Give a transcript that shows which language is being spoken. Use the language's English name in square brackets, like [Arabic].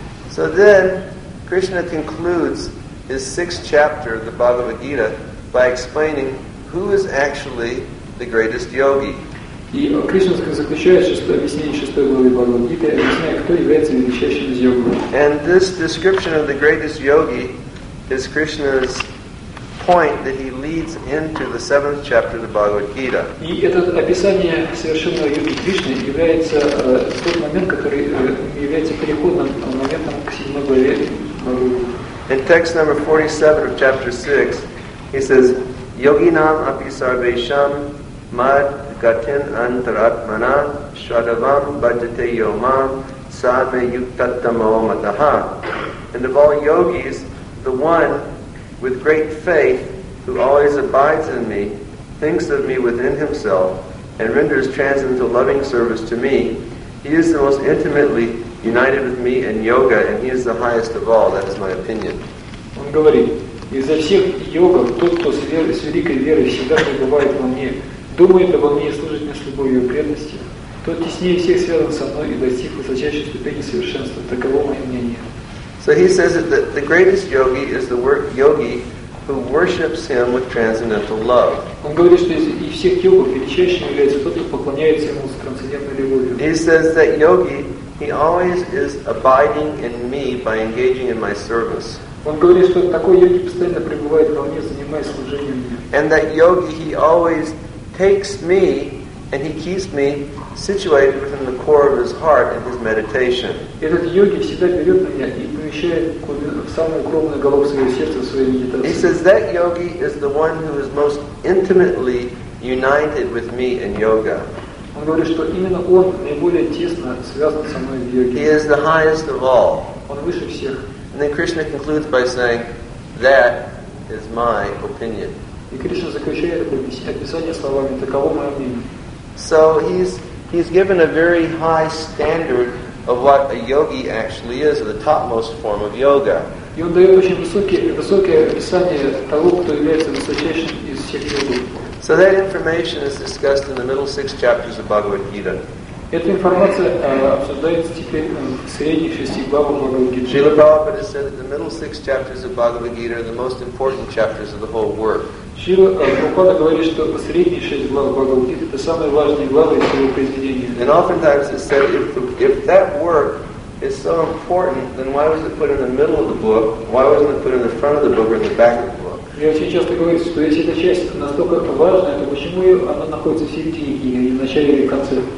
[English] So then, Krishna concludes his sixth chapter of the Bhagavad Gita by explaining who is actually the greatest yogi. [Russian] И Кришна заключает объяснение шестой главы Бхагавад-гиты, объясняя, кто является величайшим из йогов. [English] And this description of the greatest yogi is Krishna's point that he leads into the seventh chapter of the Bhagavad-gita. [Russian] И это описание совершенного йоги Кришны является тот момент, который является переходным моментом к седьмой главе. [English] In text number 47 of chapter 6, he says, [Sanskrit] Yoginam api sarvesham mad gatin antaratmana shadavam bhajate yomam sadme yuktattamo mataha. [English] And of all yogis, the one with great faith who always abides in me, thinks of me within himself, and renders transcendental loving service to me, he is the most intimately united with me in yoga, and he is the highest of all. That is my opinion. [Russian] Он говорит, изо всех йогов тот, кто с великой верой всегда пребывает во мне, думает обо мне и служит мне с любовью и преданностью, тот теснее всех связан со мной и достиг высочайшей ступени совершенства. Таково мое мнение. [English] So he says that the greatest yogi is the yogi who worships him with transcendental love. [Russian] Он говорит, что из всех йогов величайшим является тот, кто поклоняется ему с трансцендентной любовью. [English] He says that yogi, he always is abiding in me by engaging in my service. [Russian] Он говорит, что такой йоги постоянно пребывает во мне, занимаясь служением мне. [English] And that yogi, he always takes me and he keeps me situated within the core of his heart in his meditation. [Russian] Этот йоги всегда берет меня и помещает в самую кровную головку своего сердца в своей медитации. [English] He says that yogi is the one who is most intimately united with me in yoga. [Russian] Он говорит, что именно он наиболее тесно связан со мной в йоге. [English] He is the highest of all. [Russian] Он выше всех. [English] And then Krishna concludes by saying, that is my opinion. [Russian] И Кришна заключает описание словами, таково мое мнение. [English] So he's given a very high standard of what a yogi actually is, the topmost form of yoga. [Russian] И он дает очень высокое описание того, кто является высочайшим из всех йоги. [English] So that information is discussed in the middle six chapters of Bhagavad Gita. [Russian] Эта информация обсуждается теперь в средних шести главах Бхагавад-гиты. [English] Шрила Прабхупада said that the middle six chapters of Bhagavad-gita are the most important chapters of the whole work. [Russian] Шрила Прабхупада говорит, что средние шесть глав Бхагавад-гиты это самые важные главы всего произведения. [English] And oftentimes it's said, if that work is so important, then why was it put in the middle of the book? Why wasn't it put in the front of the book or in the back of the book? [Russian] И очень часто говорится, что если эта часть настолько важная, то почему она находится в середине книги, а не в начале или в конце?